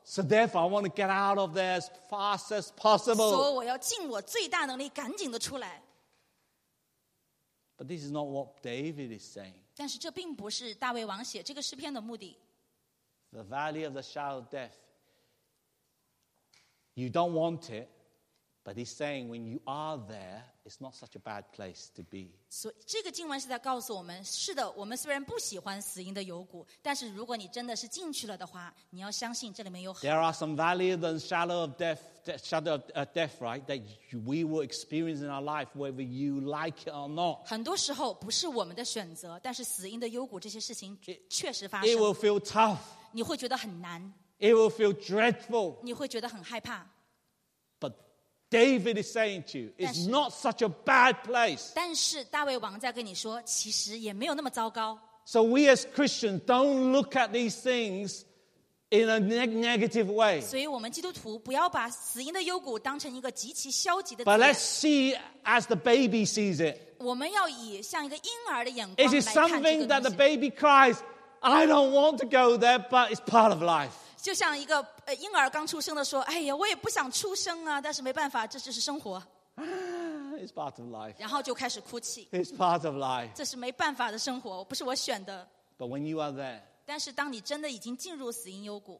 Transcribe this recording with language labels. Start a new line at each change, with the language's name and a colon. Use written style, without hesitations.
English: So therefore I want to get out of there as fast as possible
Chinese: 说我要尽我最大能力赶紧的出来
English: But this is not what David is saying
Chinese: 但是这并不是大卫王写这个诗篇的目的
English: The valley of the shadow of death You don't want it But he's saying when you are there, it's not such a bad place to be.
Chinese: 所以这个经文是在告诉我们，是的，我们虽然不喜欢死荫的幽谷，但是如果你真的是进去了的话，你要相信这里面有。
English: There are some valleys and shadow of death, right? That we will experience in our life, whether you like it or not.
Chinese: 很多时候不是我们的选择，但是死荫的幽谷这些事情确实发生。
English: It will feel tough.
Chinese: 你会觉得很难。
English: It will feel dreadful.
Chinese: 你会觉得很害怕。
English: David is saying to you, it's not such a bad place.
Chinese: 但是大卫王在跟你说，其实也没有那么糟糕。
English: So we as Christians don't look at these things in a negative way.
Chinese: 所以我们基督徒不要把死荫的幽谷当成一个极其消极的。
English: But let's see as the baby sees it.
Chinese: 我们要以像一个婴儿的眼光来看这个。
English: Is it something that the baby cries, I don't want to go there, but it's part of life?
Chinese: 就像一个婴儿刚出生的说，哎呀，我也不想出生啊，但是没办法，这就是生活。
English: It's part of life.
Chinese: 然后就开始哭泣。
English: It's part of life.
Chinese: 这是没办法的生活，不是我选的。
English: But when you are there,
Chinese: 但是当你真的已经进入死荫幽谷，